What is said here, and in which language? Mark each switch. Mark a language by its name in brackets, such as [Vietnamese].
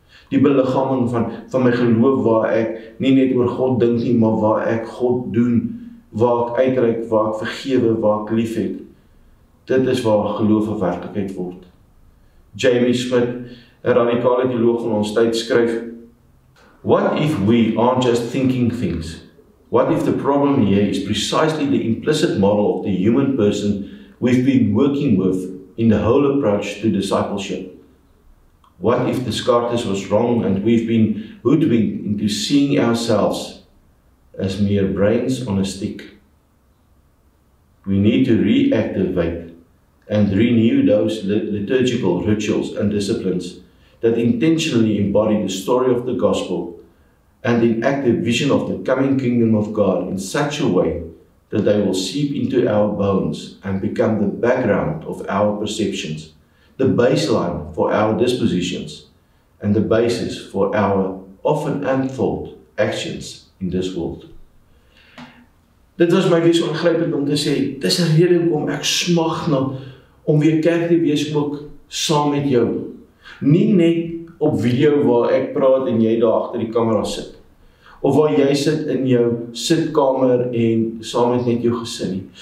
[Afrikaans] Die belichaming van my geloof waar ek nie net oor God dink nie, maar waar ek God doen, waar ek uitreik, waar ek vergewe, waar ek lief het. Dit is waar geloof 'n werklikheid word. Jamie Smith, 'n radikale teoloog van ons tyd, skryf: "What if we aren't just thinking things? [English] What if the problem here is precisely the implicit model of the human person we've been working with in the whole approach to discipleship? What if Descartes was wrong and we've been hoodwinked into seeing ourselves as mere brains on a stick? We need to reactivate and renew those liturgical rituals and disciplines that intentionally embody the story of the gospel and enact the vision of the coming kingdom of God in such a way that they will seep into our bones and become the background of our perceptions, the baseline for our dispositions, and the basis for our often unthought actions in this world." [Afrikaans] Dit was my wese ongrypend om te sê, dis 'n rede om ek smag na om weer kerk te wees ook saam met jou. Nie net op video waar ek praat en jy daar agter die kamera sit, of waar jy sit in jou sitkamer en saam met net jou gesin nie.